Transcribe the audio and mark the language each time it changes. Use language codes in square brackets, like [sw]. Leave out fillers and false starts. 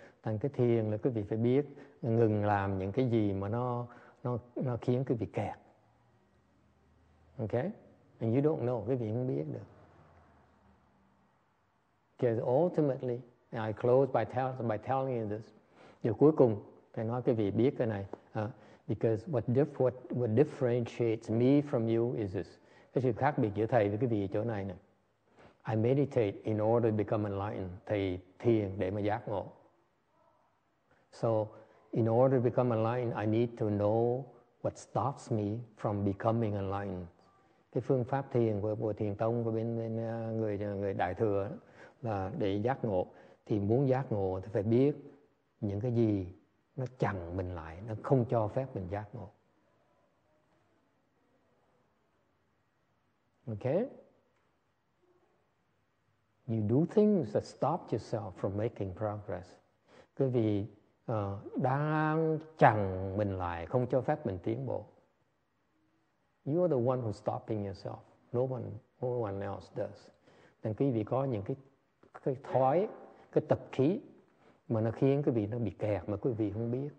[vi] Thành cái thiền là quý vị phải biết ngừng làm những cái gì mà nó khiến quý vị kẹt. [en] Okay, and you don't know, [vi] quý vị không biết được. [en] Because ultimately, and I close by telling you this. [vi] Điều cuối cùng, thầy nói quý vị biết cái này. [en] Because what differentiates me from you is this. [vi] Cái sự khác biệt giữa thầy với quý vị chỗ này nè. [en] I meditate in order to become enlightened. [vi] Thầy thiền để mà giác ngộ. [en] So in order to become enlightened, I need to know what stops me from becoming enlightened. [vi] Cái phương pháp thiền của thiền tông của bên người đại thừa đó, là để giác ngộ. Thì muốn giác ngộ thì phải biết những cái gì nó chặn mình lại, nó không cho phép mình giác ngộ. [en] Okay? You do things that stop yourself from making progress. [vi] Quý vị đang chặn mình lại, không cho phép mình tiến bộ. [en] You are the one who's stopping yourself. No one else does. [vi] Nên quý vị có những cái thói, cái tập khí mà nó khiến quý vị nó bị kẹt mà quý vị không biết.